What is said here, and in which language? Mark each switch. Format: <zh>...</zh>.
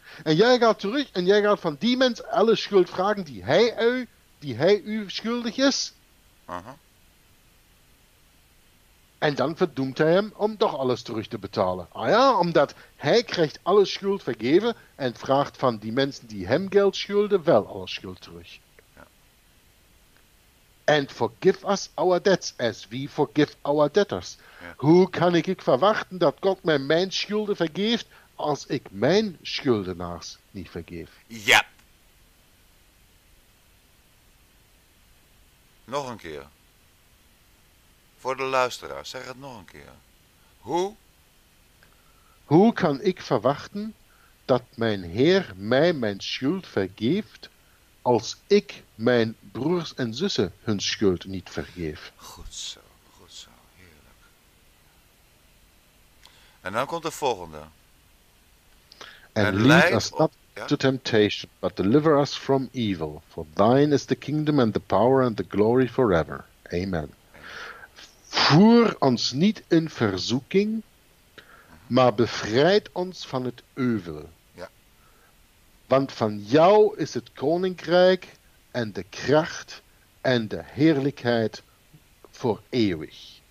<nl>En jij gaat terug en jij gaat van die mens alle schuld vragen die hij u schuldig is. Aha. En dan verdoemt hij hem om toch alles terug te betalen. Ah ja, omdat hij krijgt alle schuld vergeven en vraagt van die mensen die hem geld schulden wel alle schuld terug.</nl> <en>And forgive us our debts as we forgive our debtors.</en> <nl>Ja. Hoe kan ik verwachten dat God mij mijn schulden vergeeft, als ik mijn schuldenaars niet vergeef? Ja. Nog een keer. Voor de luisteraars, zeg het nog een keer. Hoe? Hoe kan ik verwachten dat mijn Heer mij mijn schuld vergeeft, als ik mijn broers en zussen hun schuld niet vergeef. Goed zo, heerlijk. En dan komt de volgende.</nl> <en>And lead us not to temptation, but deliver us from evil. For thine is the kingdom and the power and the glory forever. Amen.</en> <nl>Voer ons niet in verzoeking, maar bevrijd ons van het euvel. Want van jou is het koninkrijk en de kracht en de heerlijkheid voor eeuwig.</nl>